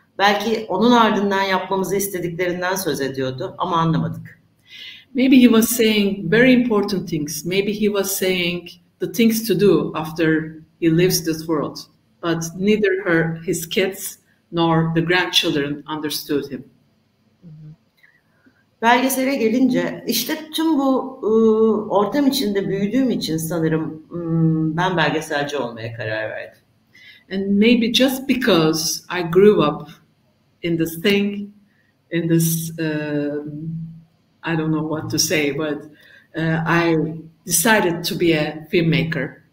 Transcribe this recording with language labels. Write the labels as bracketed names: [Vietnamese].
[Turkish] Belki onun ardından yapmamızı istediklerinden söz ediyordu ama anlamadık. [English] Maybe he was saying very important things. Maybe he was saying the things to do after he leaves this world, but neither his kids nor the grandchildren understood him. [Turkish] Belgesele gelince, işte tüm bu ortam içinde büyüdüğüm için sanırım ben belgeselci olmaya karar verdim. [English] And maybe just because I grew up in this thing, in this, I don't know what to say, but I decided to be a filmmaker.